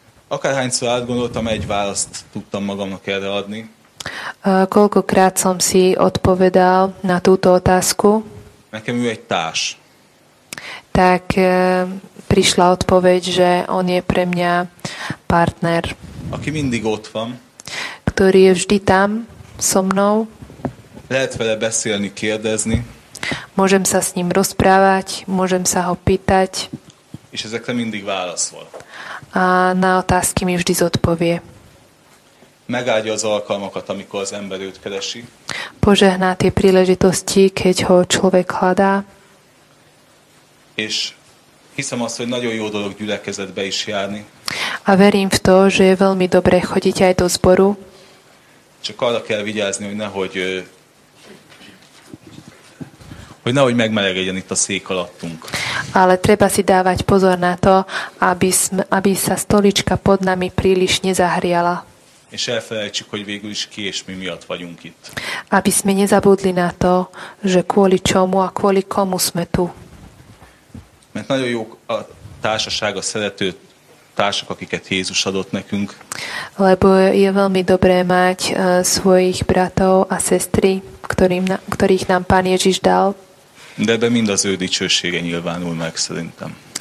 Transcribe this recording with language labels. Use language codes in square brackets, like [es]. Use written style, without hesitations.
[hu] Akárhányszor átgondoltam, egy választ tudtam magamnak erre adni. [sk] Koľkokrát som si odpovedal na túto otázku? [hu] Nekem ő egy társ. [sk] Tak prišla odpoveď, že on je pre mňa partner. [hu] Aki mindig ott van. [sk] Ktorý je vždy tam so mnou. [hu] Lehet vele beszélni, kérdezni. [sk] Môžem sa s ním rozprávať, môžem sa ho pýtať. [hu] És ezekre mindig válaszol. [sk] A na otázky mi vždy zodpovie. [hu] Megáldja az alkalmakat, amikor az ember őt keresi. [sk] Požehná tie príležitosti, keď ho človek hľadá. [hu] És hiszem azt, hogy nagyon jó dolog gyülekezetbe is járni. [sk] A verím v to, že je veľmi dobre chodiť aj do zboru. [hu] Csak arra kell vigyázni, hogy nehogy nehogy megmelegedjen itt a szék alattunk. [sk] Ale treba si dávať pozor na to, aby sa stolička pod nami príliš nezahriala. [hu] És elfelejtsük, hogy végül is ki és mi miatt vagyunk itt. [sk] Aby sme nezabudli na to, že kvôli čomu a kvôli komu sme tu. [hu] Mert nagyon jó a társaság, a szerető társak, akiket Jézus adott nekünk. [sk] Lebo je veľmi dobré mať svojich bratov a sestry, ktorých nám Pán Ježiš dal. [hu] De ebben mind az ő dicsősége nyilvánul meg, szerintem.